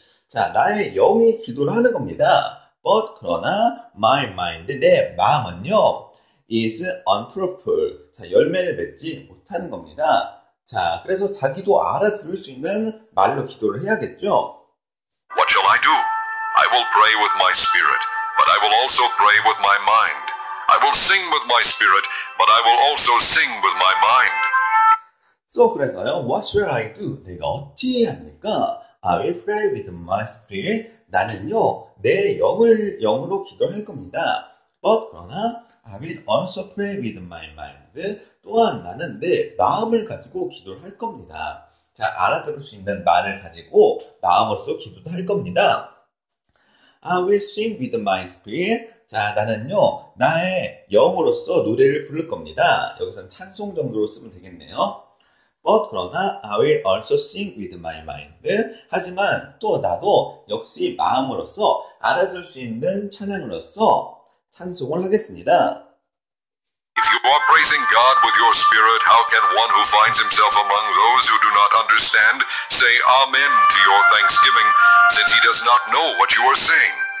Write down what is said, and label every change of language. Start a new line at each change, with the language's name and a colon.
Korean: 자, 나의 영이 기도를 하는 겁니다.
English: But,
Korean: 그러나,
English: my mind,
Korean: 내 마음은요.
English: is unfruitful.
Korean: 자, 열매를 맺지 못하는 겁니다. 자, 그래서 자기도 알아들을 수 있는 말로 기도를 해야겠죠.
English: What shall I do? I will pray with my spirit, but I will also pray with my mind. I will sing with my spirit, but I will also sing with my mind. So,
Korean: 그래서요,
English: what shall I do?
Korean: 내가 어찌 합니까?
English: I will pray with my spirit.
Korean: 나는요, 내 영으로 기도할 겁니다.
English: But,
Korean: 그러나,
English: I will also pray with my mind.
Korean: 또한 나는 내 마음을 가지고 기도를 할 겁니다. 자, 알아들을 수 있는 말을 가지고 마음으로서 기도도 할 겁니다.
English: I will sing with my spirit.
Korean: 자, 나는요, 나의 영으로서 노래를 부를 겁니다. 여기서는 찬송 정도로 쓰면 되겠네요.
English: But,
Korean: 그러나,
English: I will also sing with my mind.
Korean: 하지만, 또 나도 역시 마음으로서 알아들 수 있는 찬양으로서 찬송을 하겠습니다.
English: If you are praising God with your spirit, how can one who finds himself among those who do not understand say amen to your thanksgiving, since he does not know what you are saying?